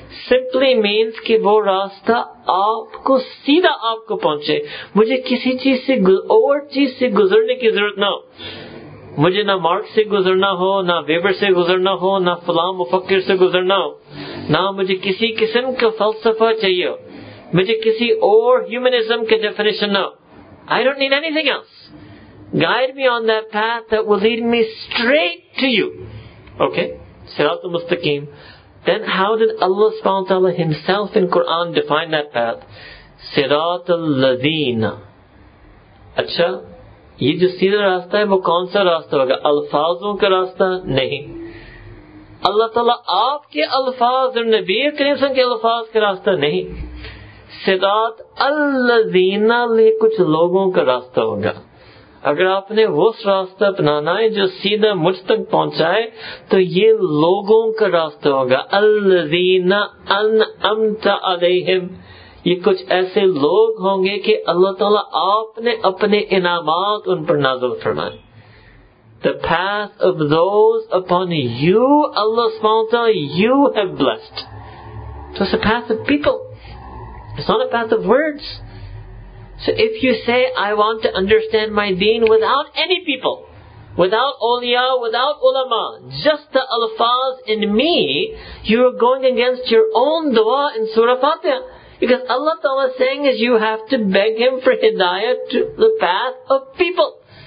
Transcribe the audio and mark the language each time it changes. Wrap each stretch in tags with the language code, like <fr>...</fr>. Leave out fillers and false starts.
<en>simply means</en> <ur>کہ وہ راستہ آپ کو سیدھا آپ کو پہنچے مجھے کسی چیز سے اور چیز سے گزرنے کی ضرورت نہ ہو مجھے نہ مارک سے گزرنا ہو نہ ویبر سے گزرنا ہو نہ فلاں مفکر سے گزرنا ہو نہ مجھے کسی قسم کا فلسفہ چاہیے ہو مجھے کسی اور humanism کے definition نہ</ur> <en>I don't need anything else. Guide me on that path that will lead me straight to you. Okay?</en> <ar>صراط المستقیم</ar> <en>Then how did Allah سبحانہ وتعالی himself in Quran define that path?</en> <ar>صراط الذین</ar> <ur>اچھا یہ جو سیدھا راستہ ہے وہ کون سا راستہ ہوگا الفاظوں کا راستہ نہیں اللہ تعالی آپ کے الفاظ اور نبی کریم صلی اللہ علیہ وسلم کے الفاظ کا راستہ نہیں</ur> <ar>صراط الذین</ar> <ur>لے کچھ لوگوں کا راستہ ہوگا اگر آپ نے وہ راستہ اپنانا ہے جو سیدھا مجھ تک پہنچائے تو یہ لوگوں کا راستہ ہوگا</ur> <ar>الذین انعمت علیہم</ar> <ur>یہ کچھ ایسے لوگ ہوں گے کہ اللہ تعالیٰ آپ نے اپنے انعامات ان پر نازل فرمائے</ur> <en>The path of those upon you Allah سبحانہ وتعالیٰ you have blessed So it's a path of people It's not a path of words. So if you say, I want to understand my deen without any people, without awliya, without ulama, just the alfaz in me, you're going against your own dua in Surah Fatiha. Because Allah Ta'ala is saying is you have to beg Him for hidayah to the path of people.</en>